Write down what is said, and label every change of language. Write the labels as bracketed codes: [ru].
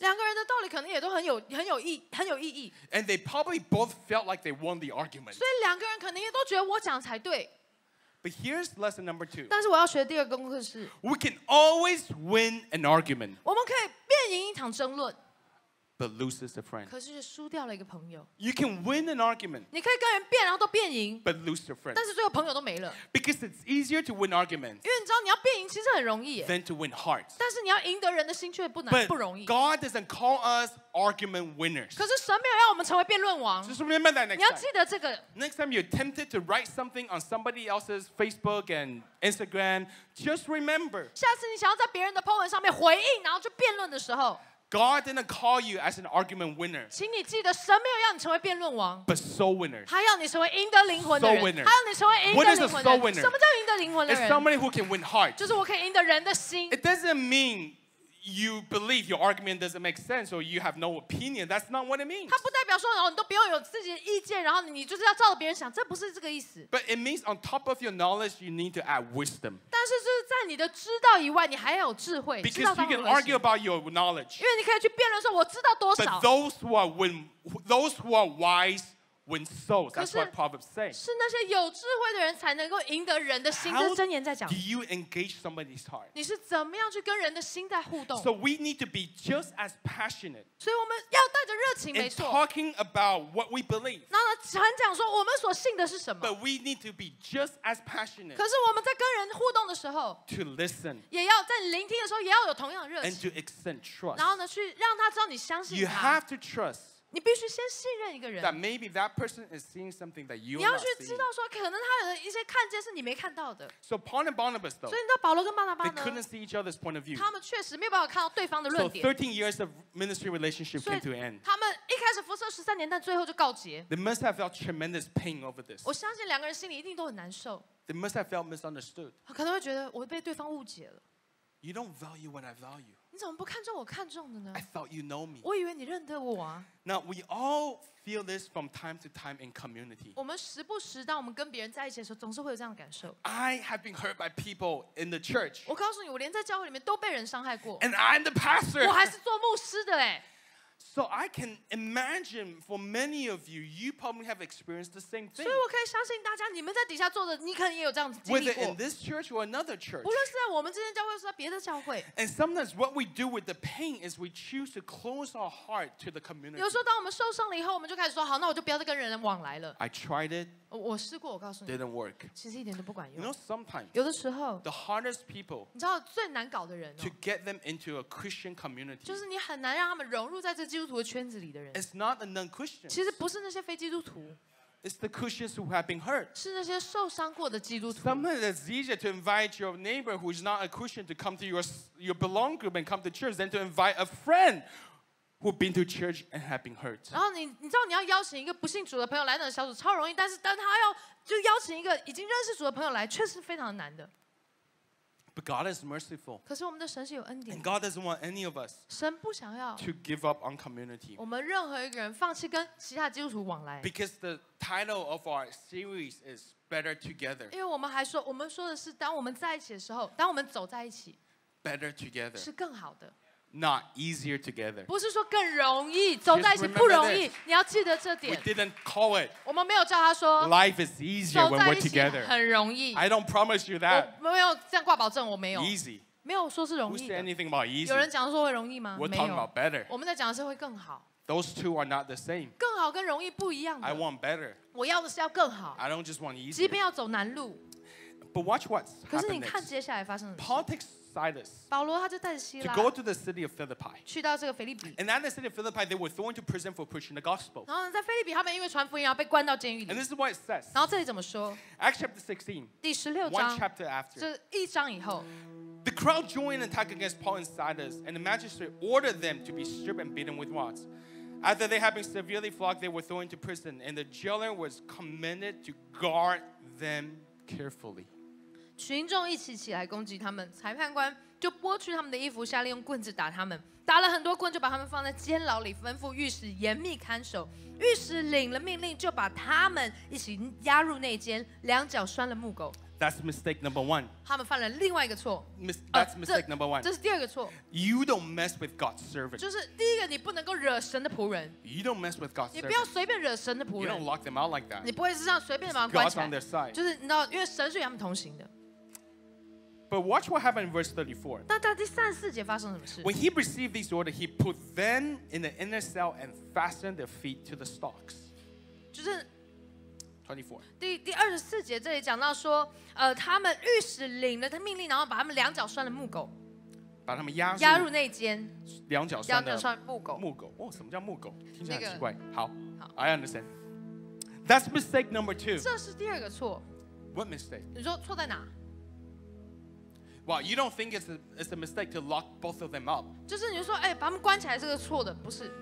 [zh] 两个人的道理可能也都很有意义。 [en] And they probably both felt like they won the argument. [zh] 所以两个人可能也都觉得我讲才对。 [en] But here's lesson number two. [zh] 但是我要学的第二个功课是。 [en] We can always win an argument. [zh] 我们可以变赢一场争论。 [en] But loses a friend. [zh] 可是却输掉了一个朋友。 [en] You can win an argument. [zh] 你可以跟人辩，然后都辩赢。 [en] But lose a friend. [zh] 但是最后朋友都没了。 [en] Because it's easier to win arguments. [zh] 因为你知道你要辩赢其实很容易耶。 [en] Than to win hearts. [zh] 但是你要赢得人的心却不难 [en] ，But、 [zh] 不容易。 [en] God doesn't call us argument winners. [zh] 可是神没有要我们成为辩论王。 [en] Just remember that next time. [zh] 你要记得这个。 [en] Next time you're tempted to write something on somebody else's Facebook and Instagram, just remember. [zh] 下次你想要在别人的 po 文上面回应，然后去辩论的时候。 [en] God didn't call you as an argument winner. [zh] 请你记得，神没有要你成为辩论王。 [en] But soul winners. [zh] 他要你成为赢得灵魂的人。 [en] Soul winners. [zh] 他要你成为赢得灵魂的人。 [en] What is a soul winner? [zh] 什么叫赢得灵魂的人？ [en] It's somebody who can win hearts. [zh] 就是我可以赢得人的心。 [en] It doesn't mean you believe your argument doesn't make sense or you have no opinion. That's not what it means. [zh] 它不代表说哦，你都不用有自己的意见，然后你就是要照着别人想，这不是这个意思。 [en] But it means on top of your knowledge, you need to add wisdom. [zh] 但是就是在你的知道以外，你还要有智慧。 [en] Because you can argue about your knowledge. [zh] 因为你可以去辩论说我知道多少。 [en] But those who are wise win souls. That's what Proverbs say. [zh] 是那些有智慧的人才能够赢得人的心。这是箴言在讲。 [en] How do you engage somebody's heart? [zh] 你是怎么样去跟人的心在互动 [en] ？So we need to be just as passionate. [zh] 所以我们要带着热情，没错。 [en] In talking about what we believe. [zh] 那很讲说我们所信的是什么 [en] ？But we need to be just as passionate. [zh] 可是我们在跟人互动的时候 [en] ，to listen. [zh] 也要在聆听的时候也要有同样的热情。 [en] And to extend trust. [zh] 然后呢，去让他知道你相信他。 [en] You have to trust. [zh] 你必须先信任一个人。 [en] That maybe that person is seeing something that you're not seeing. [zh] 你要去知道说，可能他有一些看见是你没看到的。 [en] So Paul and Barnabas though. [zh] 所以你知道保罗跟巴拿巴呢 [en] ？They couldn't see each other's point of view. [zh] 他们确实没有办法看到对方的论点。 [en] So 13 years of ministry relationship came to an end. [zh] 他们一开始服侍13年，但最后就告捷。 [en] They must have felt tremendous pain over this. [zh] 我相信两个人心里一定都很难受。 [en] They must have felt misunderstood. [zh] 可能会觉得我被对方误解了。 [en] You don't value what I value. [zh] 你怎么不看中我看中的呢 [en] ？I thought you know me. [zh] 我以为你认得我啊。 [en] Now we all feel this from time to time in community. [zh] 我们时不时，当我们跟别人在一起的时候，总是会有这样的感受。 [en] I have been hurt by people in the church. [zh] 我告诉你，我连在教会里面都被人伤害过。 [en] And I'm the pastor. [zh] 我还是做牧师的哎。 [en] So I can imagine for many of you, you probably have experienced the same thing. [zh] 所以我可以相信大家，你们在底下坐的，你可能也有这样子经历过。 [en] Whether in this church or another church. [zh] 无论是在我们这间教会，或是在别的教会。 [en] And sometimes what we do with the pain is we choose to close our heart to the community. [zh] 有时候当我们受伤了以后，我们就开始说，好，那我就不要再跟人往来了。 [en] I tried it. [zh] 我试过，我告诉你。 [en] Didn't work. [zh] 其实一点都不管用。 [en] You know, sometimes. [zh] 有的时候。 [en] The hardest people. [zh] 你知道最难搞的人。 [en] To get them into a Christian community. [zh] 就是你很难让他们融入在这基督徒的圈子里的人。 [en] It's not the non-Christians. [zh] 其实不是那些非基督徒。 [en] It's the Christians who have been hurt. [zh] 是那些受伤过的基督徒。 [en] Sometimes it's easier to invite your neighbor who is not a Christian to come to your belong group and come to church than to invite a friend who have been to church and have been hurt. [zh] 然后你知道你要邀请一个不信主的朋友来那个小组超容易，但是当他要就邀请一个已经认识主的朋友来，确实非常难的。 [en] But God is merciful. [zh] 可是我们的神是有恩典。 [en] And God doesn't want any of us. [zh] 神不想要。 [en] To give up on community. [zh] 我们任何一个人放弃跟其他基督徒往来。 [en] Because the title of our series is Better Together. [zh] 因为我们说的是，当我们在一起的时候，当我们走在一起 [en] ，Better Together [zh] 是更好的。 [en] Not easier together. [zh] 不是说更容易，走在一起不容易。你要记得这点。 [en] We didn't call it. [zh] 我们没有叫他说。 [en] Life is easier when we're together. [zh] 很容易。 [en] I don't promise you that. [zh] 我没有这样挂保证，我没有。 [en] Easy. [zh] 没有说是容易的。 [en] Who said anything about easy? [zh] 有人讲说会容易吗？没有。 [en] We're talking about better. [zh] 我们在讲的是会更好。 [en] Those two are not the same. [zh] 更好跟容易不一样的。 [en] I want better. [zh] 我要的是要更好。 [en] I don't just want easy. [zh] 即便要走难路。 [en] But watch what's happening. [zh] 可是你看接下来发生什 [en] 么。Politics. [zh] 保罗他就带着希拉 [en] to go to the city of Philippi. [zh] 去到这个腓立比 [en] And at the city of Philippi, they were thrown to prison for preaching the gospel. [zh] 然后在腓立比，他们因为传福音，然后被关到监狱里。 [en] And this is what it says. [zh] 然后这里怎么说 [en] ？Acts chapter 16. [zh] 第十六章 [en] One chapter after. [zh] 这一章以后。 [en] The crowd joined an attack against Paul and Silas, and the magistrate ordered them to be stripped and beaten with rods. After they had been severely flogged, they were thrown into prison, and the jailer was commanded to guard them carefully. [zh] 群众一起起来攻击他们，裁判官就剥去他们的衣服，下令用棍子打他们。打了很多棍，就把他们放在监牢里，吩咐狱使严密看守。狱使领了命令，就把他们一起押入内监，两脚拴了木狗。 [en] That's mistake number one. [zh] 他们犯了另外一个错。 [en] That's mistake number one. [zh] 这是第二个错。 [en] You don't mess with God's servant. [zh] 就是第一个，你不能够惹神的仆人。 [en] You don't mess with God's servant. [zh] 你不要随便惹神的仆人。 [en] You don't lock them out like that. [zh] 你不会是这样随便把他们关起来。 [en] God's on their side. [zh] 就是你知道，因为神是与他们同行的。 [en] But watch what happened in verse 34. [zh] 但到第三四节发生什么事？ [en] When he received these orders, he put them in the inner cell and fastened their feet to the stocks. [zh] 就是。 24. 第24节这里讲到说，他们狱使领了他命令，然后把他们两脚拴了木狗，把他们押押入内监，两脚拴了木狗。木狗，哦，什么叫木狗？听起来很奇怪。那个、好, 好 [en] ，I understand. That's mistake number two. [zh] 这是第二个错。 [en] What mistake? [zh] 你说错在哪？ [en] Well, you don't think it's a mistake to lock both of them up. [zh] 就是你就说，哎，把他们关起来是个错的，不是。